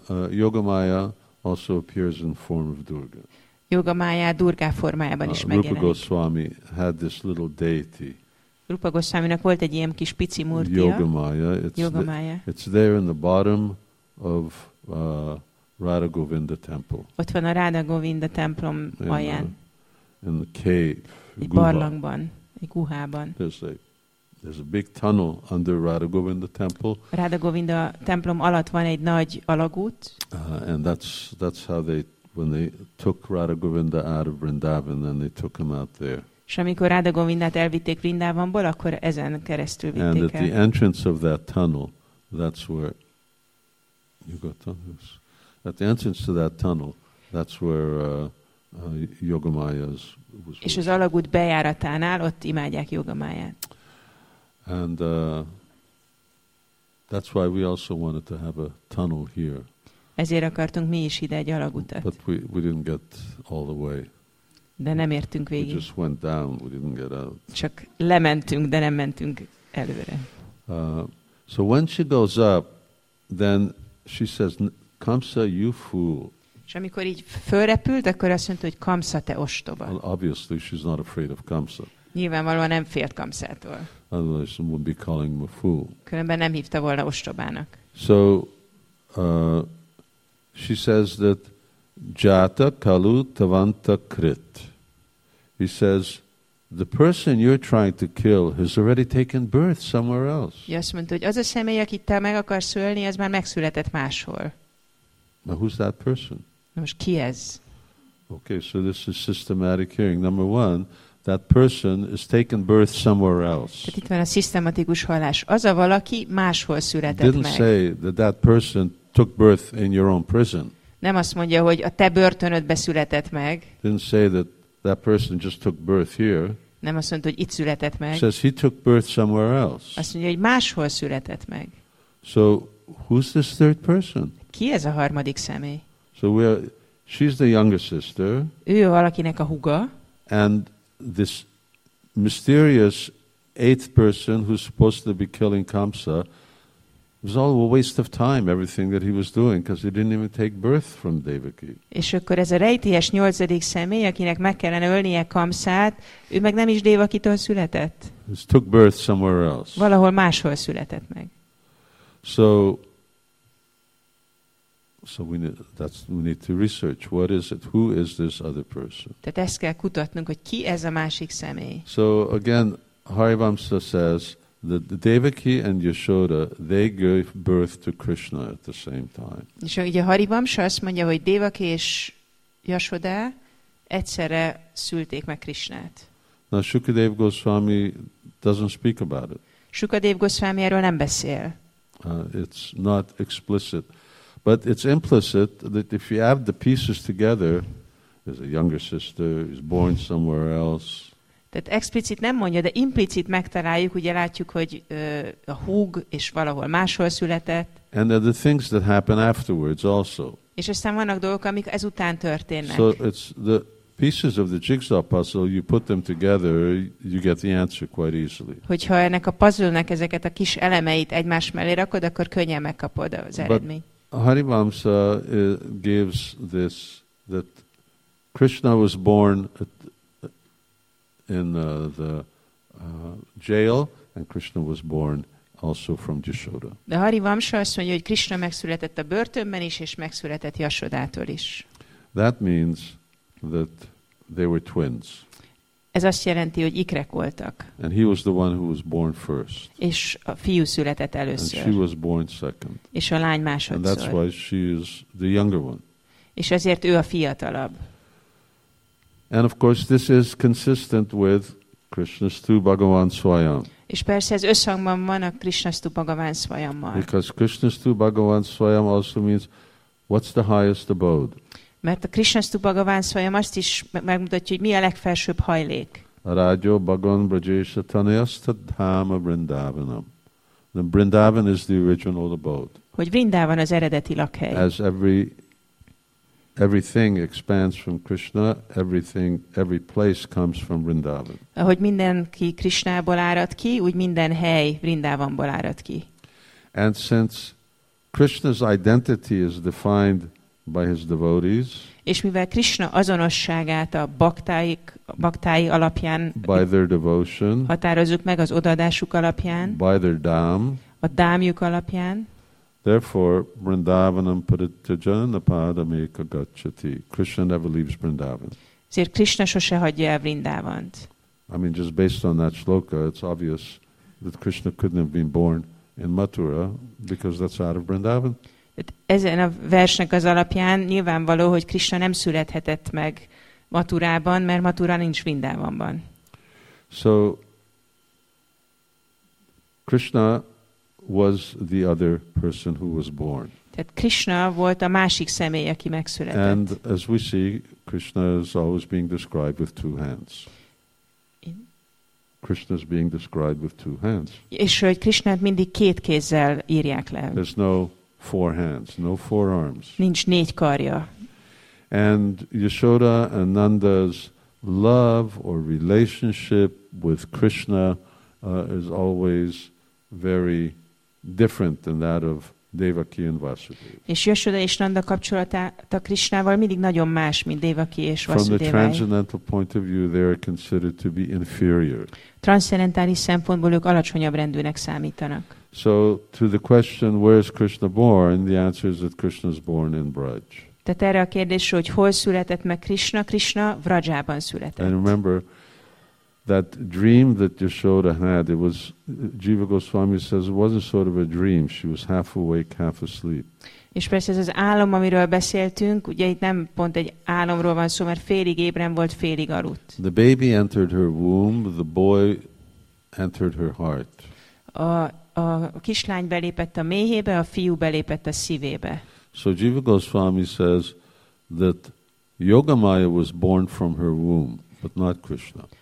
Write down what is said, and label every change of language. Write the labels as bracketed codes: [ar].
[en] Yoga Maya also appears in form of Durga. [hu] Yoga Maya Durga formájában is megjelenik. [en] Rupa Goswami had this little deity. [hu] Rupa Goswaminak volt egy ilyen kis pici murtia. [en] Yoga Maya. It's there in the bottom of Radha Govinda temple. [hu] Ott van a Radha Govinda templom alján. [en] In the cave. [hu] Egy barlangban, egy guhában. [en] There's a big tunnel under Radha Govinda temple. [hu] Radha Govinda templom alatt van egy nagy alagút. [en] And that's how they, when they took Radha Govinda out of Vrindavan, then they took him out there. [hu] És amikor Radha Govindát elvitték Vrindavanból, akkor ezen keresztül vitték el. [en] And at the entrance of that tunnel, that's where you got tunnels. At the entrance to that tunnel, that's where Yoga Maya's was. [hu] És az alagút bejáratánál ott imádják Yoga Mayát. [en] And that's why we also wanted to have a tunnel here. [hu] Ezért akartunk mi is ide egy alagutat. [en] But we didn't get all the way. [hu] De nem értünk végig. [en] We just went down, we didn't get out. [hu] Csak lementünk, de nem mentünk előre. [en] So when she goes up, then she says, Kamsa, you fool. [hu] És amikor így fölrepült, akkor azt mondta, hogy Kamsa, te ostoba. [en] Well, obviously she's not afraid of Kamsa. [hu] Nyilvánvalóan nem félt Kamsától. [en] Otherwise, someone would be calling him a fool. [hu] Különben nem hívta volna ostobának. [en] So, she says that [sa] Jata Kalu Tavanta Krit. [en] He says, the person you're trying to kill has already taken birth somewhere else. [hu] Ja, azt mondta, hogy az a személy, akit te meg akarsz ölni, az már megszületett máshol. [en] Now, who's that person? [hu] Na most ki ez? [en] Okay, so this is systematic hearing. Number one, that person is taken birth somewhere else. [hu] Tehát itt van a szisztematikus hallás. Az a valaki máshol született meg. [en] Didn't say that person took birth in your own prison. [hu] Nem azt mondja, hogy a te börtönödbe született meg. [en] Didn't say that person just took birth here. [hu] Nem azt mondta, hogy itt született meg. [en] Says he took birth somewhere else. [hu] Azt mondja, hogy máshol született meg. [en] So who's this third person? [hu] Ki ez a harmadik személy? [en] So she's the younger sister. [hu] Ő valakinek a húga. [en] And this mysterious eighth person who's supposed to be killing Kamsa, it was all a waste of time, everything that he was doing, because he didn't even take birth from Devaki. [hu] És akkor ez a rejtélyes nyolcadik személy, akinek meg kellene ölnie Kamsát, ő meg nem is Devakitól született. [en] He took birth somewhere else. [hu] Valahol máshol született meg. [en] So we need to research. What is it? Who is this other person? [hu] Tehát ezt kell kutatnunk, hogy ki ez a másik személy. [en] So again, Harivamsa says, that Devaki and Yashoda, they gave birth to Krishna at the same time. [hu] És ugye Harivamsa azt mondja, hogy Devaki és Yashoda egyszerre szülték meg Krishnát. [en] Now Shukadev Goswami doesn't speak about it. [hu] Shukadev Goswami erről nem beszél. [en] It's not explicit. But it's implicit that if you add the pieces together, there's a younger sister, he's born somewhere else. [hu] Tehát explicit nem mondja, de implicit megtaláljuk, ugye látjuk, hogy a húg és valahol máshol született. [en] And there are the things that happen afterwards also. [hu] És aztán vannak dolgok, amik ezután történnek. [en] So it's the pieces of the jigsaw puzzle, you put them together, you get the answer quite easily. [hu] Hogyha ennek a puzzle-nek ezeket a kis elemeit egymás mellé rakod, akkor könnyen megkapod az eredményt. [en] Harivamsa gives this, that Krishna was born in the jail, and Krishna was born also from Yashoda. [hu] De Harivamsa azt mondja, hogy Krishna megszületett a börtönben is, és megszületett Yashodától is. [en] That means that they were twins. [hu] Ez azt jelenti, hogy ikrek voltak. [en] And he was the one who was born first. [hu] És a fiú született először. [en] And she was born second. [hu] És a lány másodszor. [en] And that's why she is the younger one. [hu] És ezért ő a fiatalabb. [en] And of course this is consistent with Krishna Stu Bhagavan Swayam. [hu] És persze ez összhangban van a Krishna Stu Bhagavan Swayammal. [en] Because Krishna Stu Bhagavan Swayam also means what's the highest abode? [hu] Mert a Krishna Stu Bhagavan Swayam azt is megmutatja, hogy mi a legfelsőbb hajlék. [sa] Rajo Bhagavan Brajesha Tanayasta Dhamma Vrindavanam. [en] The Vrindavan is the original abode. [hu] Hogy Vrindavan az eredeti lakhely. [en] As everything expands from Krishna, everything, every place comes from Vrindavan. [hu] Ahogy mindenki Krishnából árad ki, úgy minden hely Vrindavanból árad ki. [en] And since Krishna's identity is defined by his devotees, [hu] és mivel Krishna azonosságát a baktái alapján, [en] by their devotion, [hu] határozzuk meg az odaadásuk alapján, [en] by their dham, [hu] a dhamjuk alapján, [en] therefore [sa] Vrindavanam paritajana padameka gacchati. [en] Krishna never leaves Vrindavan. [hu] Ezért Krishna sose hagyja el Vrindavant. [en] I mean, just based on that shloka, it's obvious that Krishna couldn't have been born in Mathura because that's out of Vrindavan. [hu] Ezen a versnek az alapján nyilvánvaló, hogy Krishna nem születhetett meg Mathurában, mert Mathura nincs Vrindavanban. [en] So Krishna was the other person who was born. [hu] Tehát Krishna volt a másik személy, aki megszületett. [en] And as we see, Krishna is always being described with two hands. Krishna is being described with two hands. [hu] És hogy Krishnát mindig két kézzel írják le. [en] There's no four hands, no four arms. [hu] Nincs négy karja. [en] And Yashoda and Nanda's love or relationship with Krishna is always very different than that of Devaki and Vasudeva. [hu] És Yashoda és Nanda kapcsolata Krishnával mindig nagyon más, mint Devaki és Vasudeva. [en] From the transcendental point of view, they are considered to be inferior. [hu] Transzendentális szempontból ők alacsonyabb rendűnek számítanak. [en] So to the question, where is Krishna born? The answer is that Krishna is born in Braj. [hu] Tehát erre a kérdésre, hogy hol született meg Krishna? Krishna Vrajában született. [en] And remember that dream that Yashoda had, it was, Jiva Goswami says, it wasn't sort of a dream. She was half awake, half asleep. [hu] És persze ez az álom, amiről beszéltünk, ugye itt nem pont egy álomról van szó, mert félig ébren volt, félig aludt. [en] The baby entered her womb, the boy entered her heart. [hu] A kislány belépett a méhébe, a fiú belépett a szívébe. [en] So Jiva Goswami says that Yogamaya was born from her womb, but not Krishna.